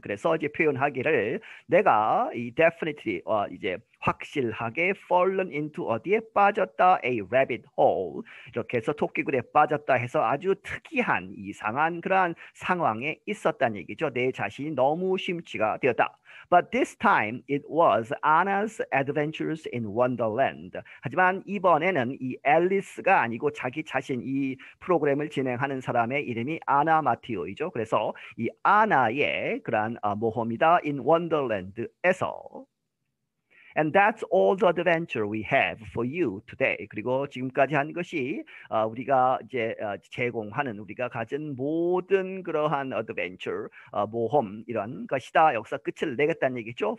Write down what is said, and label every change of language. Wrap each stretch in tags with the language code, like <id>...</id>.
<ko>그래서 이제 표현하기를 내가 이 definitely 이제 확실하게</ko> <en>fallen into</en> <ko>어디에 빠졌다</ko> <en>a rabbit hole</en> <ko>이렇게 해서 토끼굴에 빠졌다 해서 아주 특이한 이상한 그러한 상황에 있었다는 얘기죠. 내 자신이 너무 심취가 되었다.</ko> <en>But this time it was Anna's Adventures in Wonderland.</en> <ko>하지만 이번에는 이 앨리스가 아니고 자기 자신 이 프로그램을 진행하는 사람의 이름이 아나 마티오이죠. 그래서 이 아나의 그러한 모험이다 in Wonderland에서.</ko> <en>And that's all the adventure we have for you today.</en> <ko>그리고 지금까지 한 것이 우리가 이제 제공하는 우리가 가진 모든 그러한 adventure 모험 이런 것이다. 여기서 끝을 내겠다는 얘기죠.</ko>